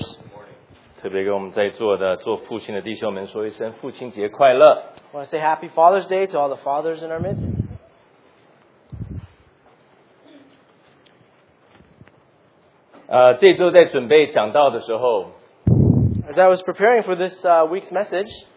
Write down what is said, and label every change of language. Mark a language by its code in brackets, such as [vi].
[en] Good morning. [zh] 特别跟我们在座的做父亲的弟兄们说一声父亲节快乐。 [en] I want to say Happy Father's Day to all the fathers in our midst. [zh] 这周在准备讲道的时候 [en] ，As I was preparing for this week's message，